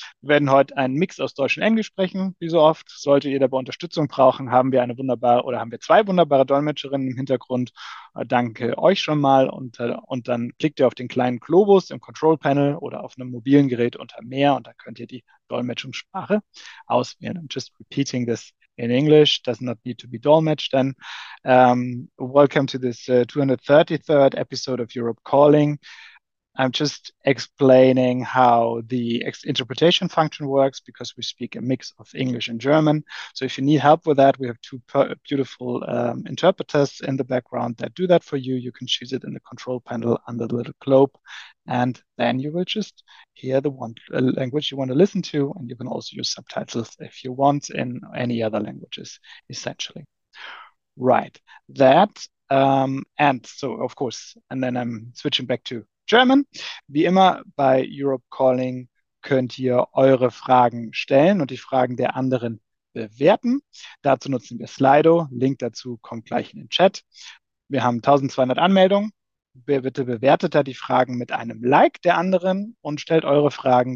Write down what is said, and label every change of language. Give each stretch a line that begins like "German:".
German: Wir werden heute einen Mix aus Deutsch und Englisch sprechen, wie so oft. Solltet ihr dabei Unterstützung brauchen, haben wir eine wunderbare oder haben wir zwei wunderbare Dolmetscherinnen im Hintergrund. Danke euch schon mal. Und dann klickt ihr auf den kleinen Globus im Control Panel oder auf einem mobilen Gerät unter Mehr und da könnt ihr die Dolmetschungssprache auswählen.
English: I'm just repeating this in English, does not need to be dolmetscht then. Welcome to this 233rd episode of Europe Calling. I'm just explaining how the interpretation function works because we speak a mix of English and German. So if you need help with that, we have two beautiful interpreters in the background that do that for you. You can choose it in the control panel under the little globe, and then you will just hear the one language you want to listen to, and you can also use subtitles if you want in any other languages, essentially. Right. And so, of course, and then I'm switching back to German.
German: Wie immer bei Europe Calling könnt ihr eure Fragen stellen und die Fragen der anderen bewerten. Dazu nutzen wir Slido. Link dazu kommt gleich in den Chat. Wir haben 1200 Anmeldungen. Bitte bewertet da die Fragen mit einem Like der anderen und stellt eure Fragen.